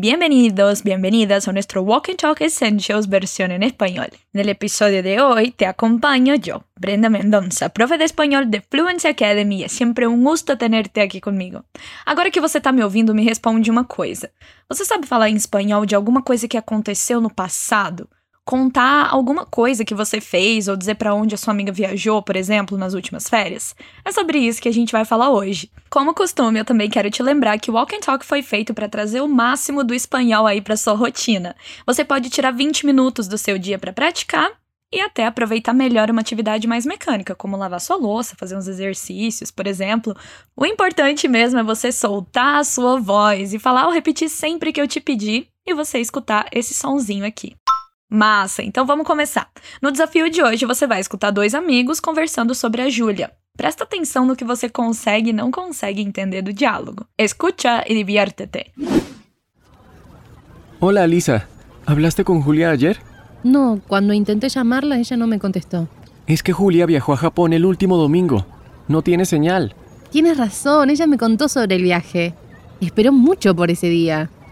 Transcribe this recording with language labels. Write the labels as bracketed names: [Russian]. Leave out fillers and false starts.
[Spanish] Bienvenidos, bienvenidas a nuestro Walk and Talk Essentials versión en español. En el episodio de hoy te acompaño yo, Brenda Mendoza, profe de español de Fluency Academy. Es siempre un gusto tenerte aquí conmigo. [Portuguese] Agora que você está me ouvindo, me responde uma coisa. Você sabe falar em espanhol de alguma coisa que aconteceu no passado? Contar alguma coisa que você fez ou dizer para onde a sua amiga viajou, por exemplo, nas últimas férias? É sobre isso que a gente vai falar hoje. Como costume, eu também quero te lembrar que o Walk and Talk foi feito para trazer o máximo do espanhol aí para sua rotina. Você pode tirar 20 minutos do seu dia para praticar e até aproveitar melhor uma atividade mais mecânica, como lavar sua louça, fazer uns exercícios, por exemplo. O importante mesmo é você soltar a sua voz e falar ou repetir sempre que eu te pedir e você escutar esse sonzinho aqui. Massa, então vamos começar. No desafio de hoje, você vai escutar dois amigos conversando sobre a Júlia. Presta atenção no que você consegue e não consegue entender do diálogo. [Spanish] Escucha e diviértete. Hola, Lisa. ¿Hablaste con Julia ayer? No, cuando intenté llamarla, ella no me contestó. Es que Julia viajó a Japón el último domingo. No tiene señal. Tienes razón, ella me contó sobre el viaje. Esperó mucho por ese día.